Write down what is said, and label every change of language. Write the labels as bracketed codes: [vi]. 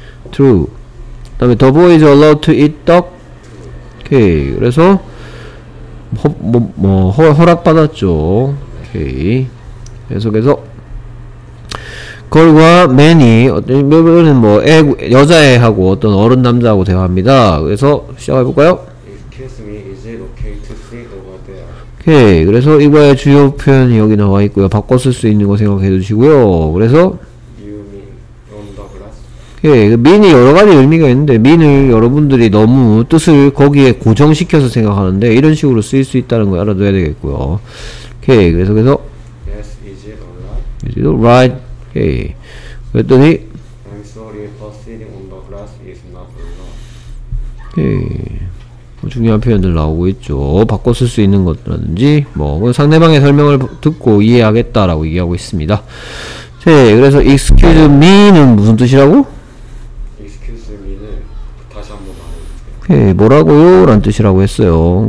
[en] True. [ko] 그 다음에 [en] the boy is allowed to eat 떡? 오케이. [ko] 그래서 허락받았죠. 오케이. 계속해서 걸과 맨이 몇몇은 뭐 여자애하고 어떤 어른 남자하고 대화합니다. 그래서 시작해볼까요? [en] Excuse me, is it okay to sit over there? [ko] 오케이. 그래서 이거의 주요 표현이 여기 나와있고요. 바꿔 쓸 수 있는 거 생각해주시고요. 그래서 [en] You mean on the grass? [ko] 오케이. 그 mean이 여러가지 의미가 있는데 mean을 여러분들이 너무 뜻을 거기에 고정시켜서 생각하는데 이런 식으로 쓰일 수 있다는 걸 알아둬야 되겠고요. 오케이. 그래서 계속 [en] Yes, is it alright? Is it alright? [ko] 오케이. 그랬더니 [en] I'm sorry, but sitting on the grass is not allowed. [ko] 오케이. 중요한 표현들 나오고 있죠. 바꿔 쓸 수 있는 것이라든지 뭐 상대방의 설명을 듣고 이해하겠다라고 얘기하고 있습니다. 네, 그래서 excuse me는 무슨 뜻이라고? excuse me는 다시 한번 말해주세요. 오케이. 뭐라고요? 라는 뜻이라고 했어요.